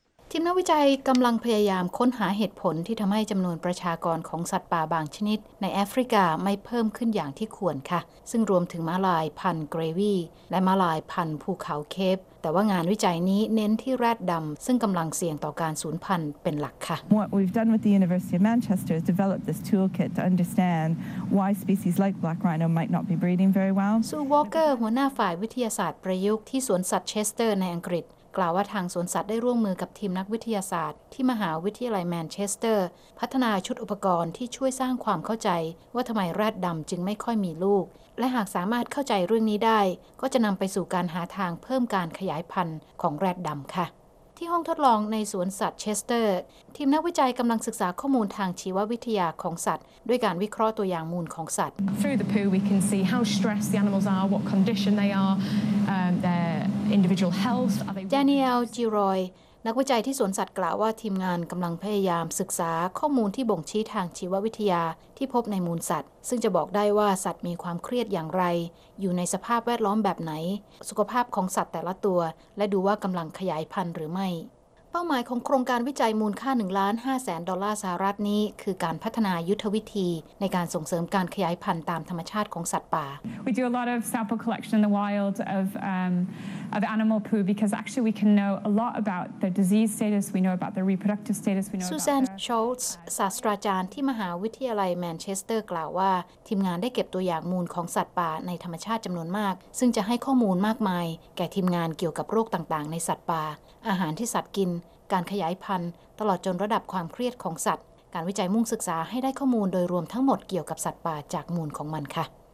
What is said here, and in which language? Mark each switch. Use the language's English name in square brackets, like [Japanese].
[Thai] ทีมนักวิจัยกำลังพยายามค้นหาเหตุผลที่ทำให้จำนวนประชากรของสัตว์ป่าบางชนิดในแอฟริกาไม่เพิ่มขึ้นอย่างที่ควรค่ะซึ่งรวมถึงม้าลายพันธุ์เกรวี่และม้าลายพันธุ์ภูเขาเคปแต่ว่างานวิจัยนี้เน้นที่แรดดำซึ่งกำลังเสี่ยงต่อการสูญพันธุ์เป็นหลักค่ะ [English] What we've done with the University of Manchester is develop this toolkit to understand why species like black rhino might not be breeding very well [Thai] ซู วอล์เกอร์หัวหน้าฝ่ายวิทยาศาสตร์ประยุกต์ที่สวนสัตว์เชสเตอร์ในอังกฤษกล่าวว่าทางสวนสัตว์ได้ร่วมมือกับทีมนักวิทยาศาสตร์ที่มหาวิทยาลัยแมนเชสเตอร์พัฒนาชุดอุปกรณ์ที่ช่วยสร้างความเข้าใจว่าทำไมแรดดำจึงไม่ค่อยมีลูกและหากสามารถเข้าใจเรื่องนี้ได้ก็จะนำไปสู่การหาทางเพิ่มการขยายพันธุ์ของแรดดำค่ะที่ห้องทดลองในสวนสัตว์เชสเตอร์ทีมนักวิจัยกำลังศึกษาข้อมูลทางชีววิทยาของสัตว์ด้วยการวิเคราะห์ตัวอย่างมูลของสัตว์ [English] Through the poo we can see how stressed the animals are what condition they are their individual health [Thai] Daniel Giroy นักวิจัยที่สวนสัตว์กล่าวว่าทีมงานกำลังพยายามศึกษาข้อมูลที่บ่งชี้ทางชีววิทยาที่พบในมูลสัตว์ซึ่งจะบอกได้ว่าสัตว์มีความเครียดอย่างไรอยู่ในสภาพแวดล้อมแบบไหนสุขภาพของสัตว์แต่ละตัวและดูว่ากำลังขยายพันธุ์หรือไม่เป้าหมายของโครงการวิจัยมูลค่า $1,500,000 นี้คือการพัฒนายุทธวิธีในการส่งเสริมการขยายพันธุ์ตามธรรมชาติของสัตว์ป่า [English] We do a lot of sample collection in the wild of animal poo because actually we can know a lot about the disease status we know about the reproductive status we know [Thai] about Susan Schultz ศาสตราจารย์ที่มหาวิทยาลัยแมนเชสเตอร์กล่าวว่าทีมงานได้เก็บตัวอย่างมูลของสัตว์ป่าในธรรมชาติจำนวนมากซึ่งจะให้ข้อมูลมากมายแก่ทีมงานเกี่ยวกับโรคต่างๆในสัตว์ป่าอาหารที่สัตว์กินการขยายพันธุ์ตลอดจนระดับความเครียดของสัตว์การวิจัยมุ่งศึกษาให้ได้ข้อมูลโดยรวมทั้งหมดเกี่ยวกับสัตว์ป่าจากมูลของมันค่ะ